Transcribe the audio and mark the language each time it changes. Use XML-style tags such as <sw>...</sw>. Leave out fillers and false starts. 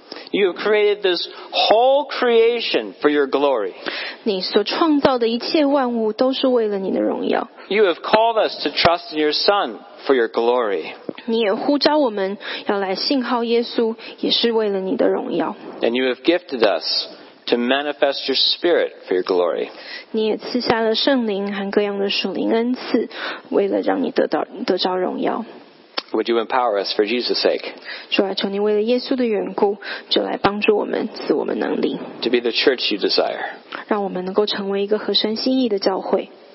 <en>You have created this whole creation for your glory.</en> <zh>你所创造的一切万物都是为了你的荣耀。</zh> <en>You have called us to trust in your Son for your glory.</en> <zh>你也呼召我们要来信号耶稣，也是为了你的荣耀。</zh> <en>And you have gifted us to manifest your Spirit for your glory.</en> <zh>你也赐下了圣灵和各样的属灵恩赐，为了让你得着荣耀。</zh> <en>Would you empower us for Jesus' sake?</en> <zh>主啊，求你为了耶稣的缘故，就来帮助我们，赐我们能力。</zh> <en>To be the church you desire.</en> <zh>让我们能够成为一个合神心意的教会。</zh>